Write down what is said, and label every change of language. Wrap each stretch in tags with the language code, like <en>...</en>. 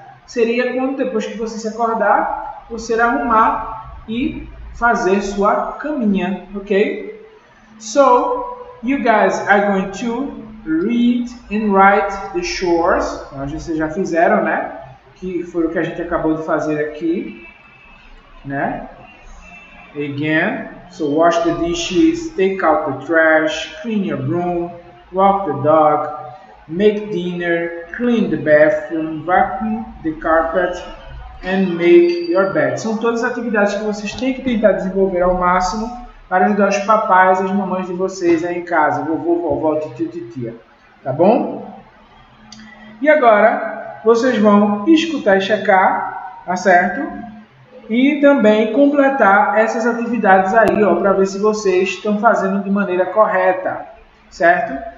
<pt>Seria quando depois que você se acordar, você arrumar e fazer sua caminha, ok?</pt> <en>So, you guys are going to read and write the chores.</en> <pt>Então, vocês já fizeram, né? Que foi o que a gente acabou de fazer aqui, né?</pt> <en>Again, so wash the dishes, take out the trash, clean your room, walk the dog, make dinner, clean the bathroom, vacuum the carpet, and make your bed.</en> <pt>São todas as atividades que vocês têm que tentar desenvolver ao máximo para ajudar os papais e as mamães de vocês aí em casa, vovô, vovó, tio, titia, tá bom? E agora, vocês vão escutar e checar, tá certo? E também completar essas atividades aí, ó, para ver se vocês estão fazendo de maneira correta, certo?</pt>